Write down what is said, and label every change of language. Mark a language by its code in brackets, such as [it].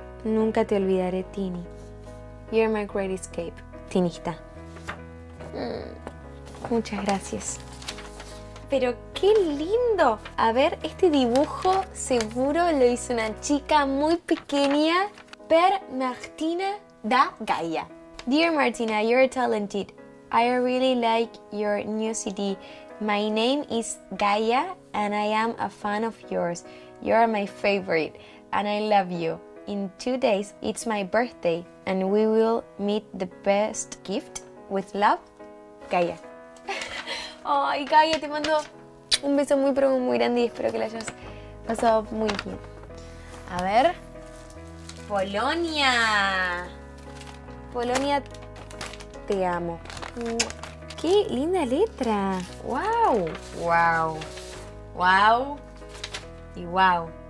[es] Nunca te olvidaré, [en] Tini. You're my great escape, Tinista. [es] Muchas gracias. ¡Pero qué lindo! A ver, este dibujo seguro lo hizo una chica muy pequeña. [it] Per Martina da Gaia. [en] Dear Martina, you're talented. I really like your new CD. My name is Gaia and I am a fan of yours. You are my favorite and I love you. In 2 days, it's my birthday and we will meet the best gift with love, Gaia. [es] Ay, Gaia, te mando un beso muy, pero muy grande y espero que lo hayas pasado muy bien. A ver, Polonia. Polonia, te amo. ¡Qué linda letra! ¡Wow! ¡Wow! ¡Wow! ¡Y wow!